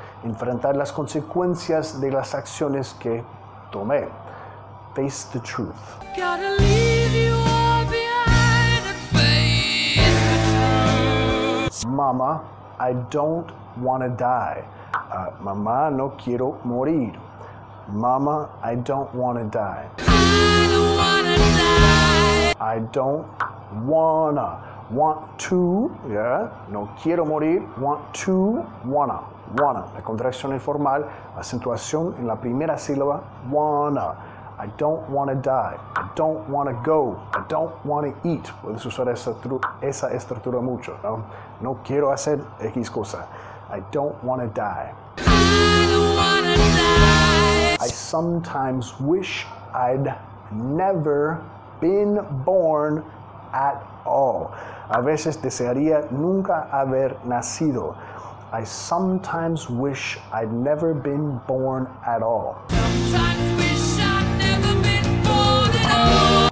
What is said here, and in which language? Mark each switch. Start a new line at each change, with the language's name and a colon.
Spanish: Enfrentar las consecuencias de las acciones que tomé.
English: Face the truth. Gotta leave you all behind and face the truth. Mama, I don't wanna die.
Spanish: Mamá, no quiero morir.
English: Mama, I don't wanna die. I don't wanna die. I don't wanna. Want to, yeah,
Spanish: no quiero morir,
English: want to, wanna,
Spanish: la contracción informal, acentuación en la primera sílaba,
English: wanna, I don't wanna die, I don't wanna go, I don't wanna eat,
Spanish: puedes usar esa estructura mucho, ¿no? No quiero hacer X cosa,
English: I don't wanna die. I don't wanna die. I sometimes wish I'd never been born at all.
Spanish: A veces desearía nunca haber nacido.
English: I sometimes wish I'd never been born at all. Sometimes wish I'd never been born at all.